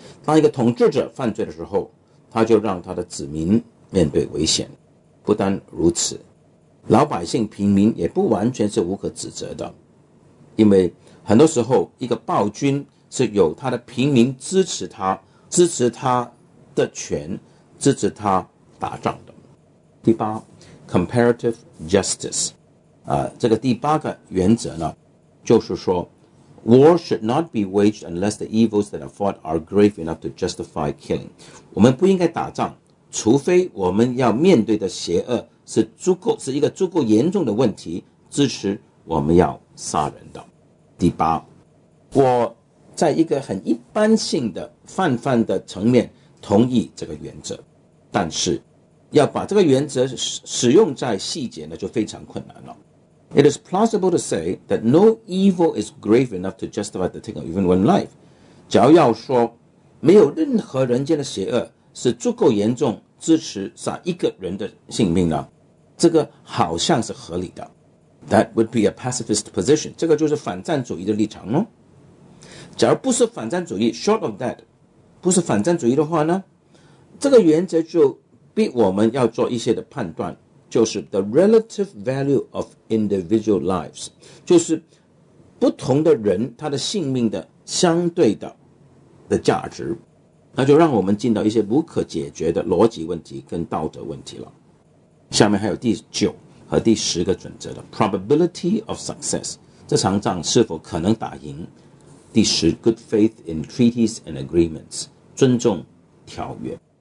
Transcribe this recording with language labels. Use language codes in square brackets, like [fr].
[zh] 当一个统治者犯罪的时候，他就让他的子民面对危险。不单如此，老百姓平民也不完全是无可指责的，因为很多时候一个暴君是有他的平民支持他，支持他的权，支持他打仗的。第八， comparative justice， 这个第八个原则呢，就是说 [en] war should not be waged unless the evils that are fought are grave enough to justify killing。 [zh] 我们不应该打仗，除非我们要面对的邪恶是足够，是一个足够严重的问题，支持我们要杀人的。第八，我在一个很一般性的泛泛的层面同意这个原则，但是要把这个原则使用在细节呢，就非常困难了。 [en] It is plausible to say that no evil is grave enough to justify the taking of even one life。 [zh] 假如要说没有任何人间的邪恶是足够严重支持杀一个人的性命呢，这个好像是合理的。 [en] That would be a pacifist position。 [zh] 这个就是反战主义的立场哦。假如不是反战主义 ， [en] short of that， [zh] 不是反战主义的话呢，这个原则就逼我们要做一些的判断，就是 [en] the relative value of individual lives， [zh] 就是不同的人他的性命的相对的价值，那就让我们进到一些无可解决的逻辑问题跟道德问题了。下面还有第九和第十个准则的 [en] probability of success， [zh] 这场仗是否可能打赢。第十， [en] good faith in treaties and agreements， [zh] 尊重条约。